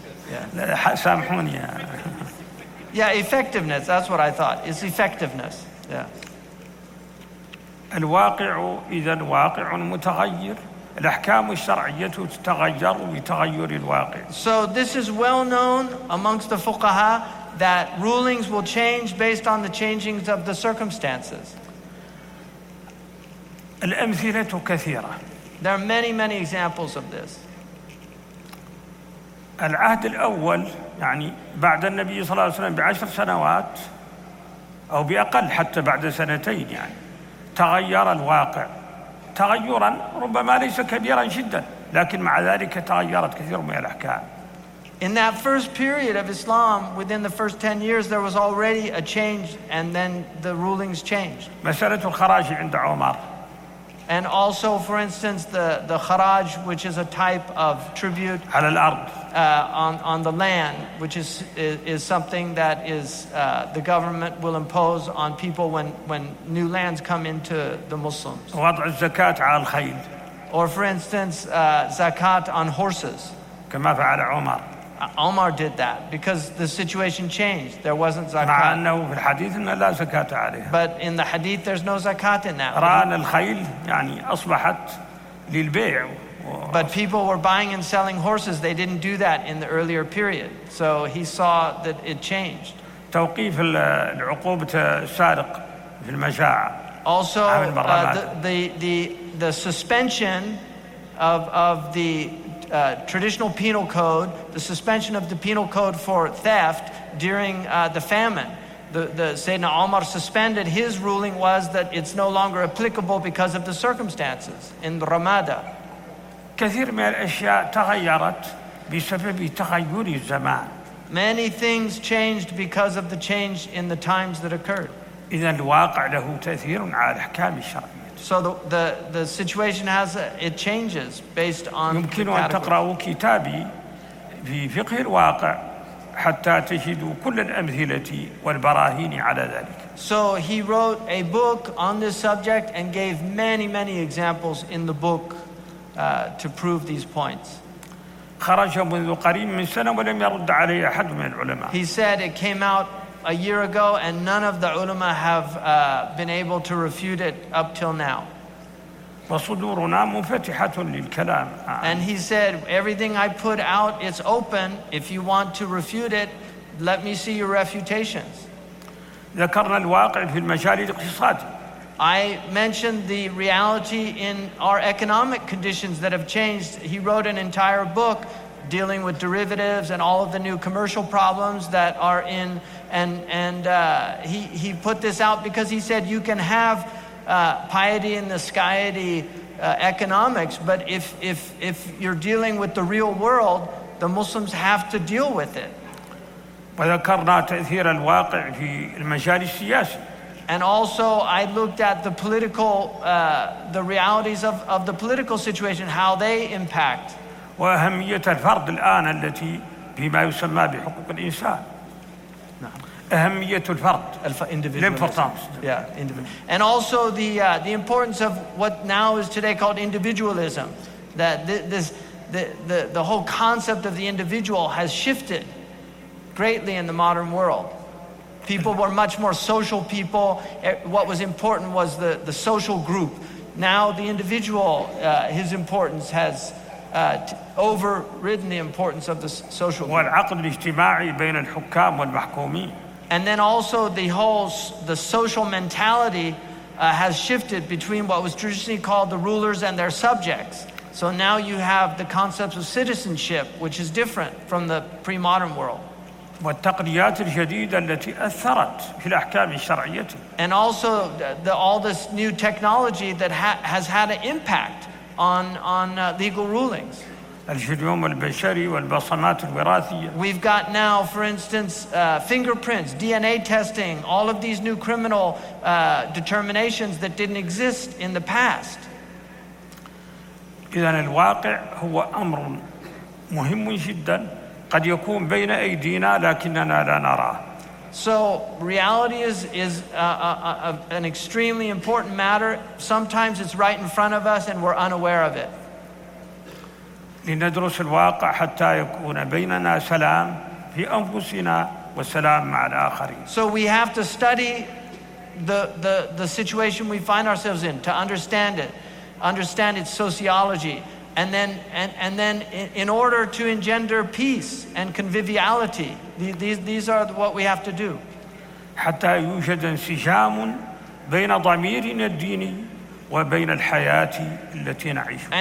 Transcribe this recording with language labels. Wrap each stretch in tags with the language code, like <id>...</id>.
<en>Yeah.</en> <ar>سامحوني.</ar> <en>Yeah, effectiveness. That's what I thought. It's effectiveness. Yeah.</en> <ar>الواقع إذن واقع متغير الأحكام الشرعية تتغير بتغير الواقع.</ar> <en>So this is well known amongst the fuqaha that rulings will change based on the changings of the circumstances.</en> <ar>الأمثلة كثيرة.</ar> <en>There are many, many examples of this.</en> <ar>العهد الأول يعني بعد النبي صلى الله عليه وسلم بعشر سنوات أو بأقل حتى بعد سنتين يعني تغير الواقع تغيرا ربما ليس كبيرا جدا لكن مع ذلك تغيرت كثير من الأحكام.</ar> <en>In that first period of Islam, within the first 10 years, there was already a change, and then the rulings changed.</en> <ar>مسألة الخراج عند عمر.</ar> <en>And also, for instance, the خراج, which is a type of tribute.</en> <ar>على الأرض.</ar> <en>on the land, which is something that is the government will impose on people when new lands come into the Muslims.</en> <ar>وضع الزكاة على الخيل.</ar> <en>Or for instance, zakat on horses.</en> <ar>كما فعل عمر.</ar> <en>Omar did that because the situation changed. There wasn't zakat.</en> <ar>مع أنه في الحديث أن لا زكاة عليها.</ar> <en>But in the hadith, there's no zakat in that.</en> <ar>ران الخيل يعني أصبحت للبيع.</ar> <en>But people were buying and selling horses. They didn't do that in the earlier period. So he saw that it changed.</en> <ar>توقيف العقوبة السارق في المجاعة.</ar> <en>Also, the suspension of the traditional penal code, the suspension of the penal code for theft during the famine. The Sayyidina Omar suspended, his ruling was that it's no longer applicable because of the circumstances in Ramada.</en> <ar>كثير من الأشياء تغيرت بسبب تغير الزمان.</ar> <en>Many things changed because of the change in the times that occurred.</en> <ar>إذن الواقع له تأثير على الأحكام الشرعية.</ar> <en>So the situation it changes based on.</en> <ar>يمكن أن تقرأوا كتابي في فقه الواقع حتى تجدوا كل الأمثلة والبراهين على ذلك.</ar> <en>So he wrote a book on this subject and gave many many examples in the book. To prove these points.</en> <ar>خرج منذ قريب من سنة ولم يرد عليه أحد من العلماء.</ar> <en>He said it came out a year ago and none of the ulama have been able to refute it up till now.</en> <ar>وصدورنا مفتحة للكلام.</ar> <en>And he said everything I put out it's open. If you want to refute it, let me see your refutations.</en> <ar>ذكرنا الواقع في المجال الاقتصادي.</ar> <en>I mentioned the reality in our economic conditions that have changed. He wrote an entire book dealing with derivatives and all of the new commercial problems that are in. And he put this out because he said you can have piety in the skyity economics, but if you're dealing with the real world, the Muslims have to deal with it.</en> <ar>وذكرنا تأثير الواقع في المجال السياسي.</ar> <en>And also, I looked at the political, the realities of the political situation, how they impact.</en> <ar>وأهمية الفرد الآن التي بما يسمى بحقوق الإنسان. نعم. أهمية الفرد.</ar> <en>Individual. Importance. Yeah, individual. And also the importance of what now is today called individualism, that the whole concept of the individual has shifted greatly in the modern world. People were much more social people. What was important was the social group. Now the individual, his importance has overridden the importance of the social group.</en> <ar>والعقد الاجتماعي بين الحكام والمحكومين.</ar> <en>And then also the social mentality has shifted between what was traditionally called the rulers and their subjects. So now you have the concepts of citizenship, which is different from the pre-modern world.</en> <ar>والتقنيات الجديدة التي أثرت في الأحكام الشرعية.</ar> <en>And also all this new technology that has had an impact on legal rulings.</en> <ar>الجينوم البشري والبصمات الوراثية.</ar> <en>We've got now, for instance, fingerprints, DNA testing, all of these new criminal determinations that didn't exist in the past.</en> <ar>إذن الواقع هو أمر مهم جدا. قد يكون بين أيدينا لكننا لا نراه.</ar> <en>So reality is an extremely important matter. Sometimes it's right in front of us and we're unaware of it.</en> <ar>لندرس الواقع حتى يكون بيننا سلام في أنفسنا والسلام مع الآخرين.</ar> <en>So we have to study the situation we find ourselves in to understand it, understand its sociology. And then in order to engender peace and conviviality, these are what we have to do.</en> <ar>حتى يوجد انسجام بين ضميرنا الديني وبين الحياة التي نعيش.</ar>